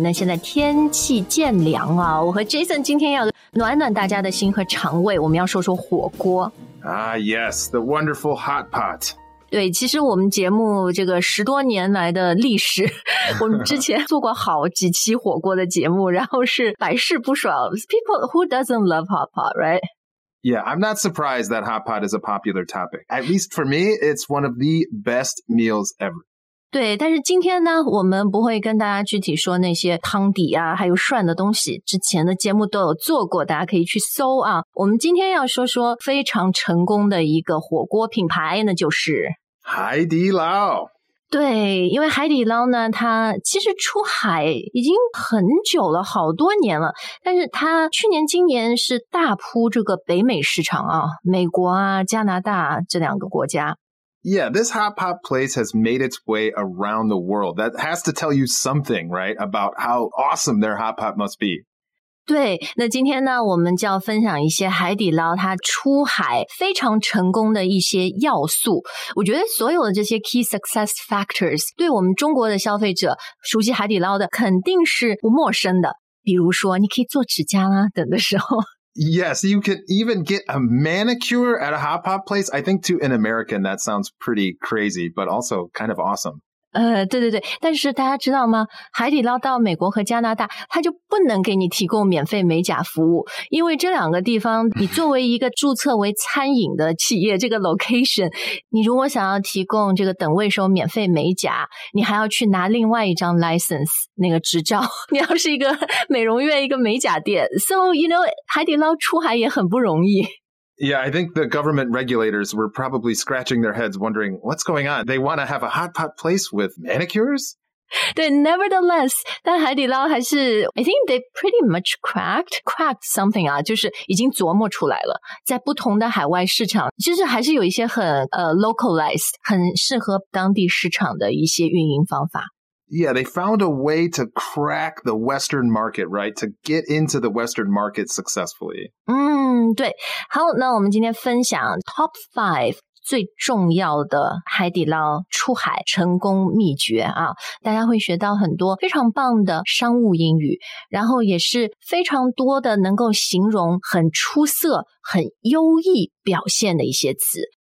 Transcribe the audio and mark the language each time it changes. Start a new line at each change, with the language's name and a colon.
Chinese: 那现在天气渐凉啊，我和 Jason 今天要暖暖大家的心和肠胃，我们要说说火锅。
English: Yes, the wonderful hot pot.
Chinese: 对，其实我们节目这个十多年来的历史，我们之前做过好几期火锅的节目，然后是百试不爽。
English: People who doesn't love hot pot, right? Yeah, I'm not surprised that hot pot is a popular topic. At least for me, it's one of the best meals ever.
Chinese: 对，但是今天呢，我们不会跟大家具体说那些汤底啊，还有涮的东西。之前的节目都有做过，大家可以去搜啊。我们今天要说说非常成功的一个火锅品牌，那就是海底捞。对，因为海底捞呢，它其实出海已经很久了，好多年了，但是它去年今年是大铺这个北美市场啊，美国啊，加拿大这两个国家。
English: Yeah, this hot pot place has made its way around the world. That has to tell you something, right, about how awesome their hot pot must be.
Chinese: 对，那今天呢，我们就要分享一些海底捞它出海非常成功的一些要素。我觉得所有的这些
English: key success factors
Chinese: 对我们中国的消费者熟悉海底捞的肯定是不陌生的。比如说，你可以做指甲啦，等的时候。
English: Yes, you can even get a manicure at a hot pot place. I think to an American, that sounds pretty crazy, but also kind of awesome.
Chinese: 对对对，但是大家知道吗？海底捞到美国和加拿大，它就不能给你提供免费美甲服务，因为这两个地方，你作为一个注册为餐饮的企业，这个 location， 你如果想要提供这个等位收免费美甲，你还要去拿另外一张 license， 那个执照。你要是一个美容院，一个美甲店 ，
English: so you know，
Chinese: 海底捞出海也很不容易。
English: Yeah, I think the government regulators were probably scratching their heads wondering what's going on. They want to have a hot pot place with manicures?
Chinese: 对
English: nevertheless,
Chinese: 但海底捞还是
English: I think they pretty much cracked something
Chinese: 啊，就是已经琢磨出来了，在不同的海外市场，就是还是有一些很localized, 很适合当地市场的一些运营方法。
English: Yeah, they found a way to crack the Western market, right? To get into the Western market successfully.
Chinese: 对。好，那我们今天分享 top 5最重要的海底捞出海成功秘诀啊，大家会学到很多非常棒的商务英语，然后也是非常多的能够形容很出色、很优异表现的一些词。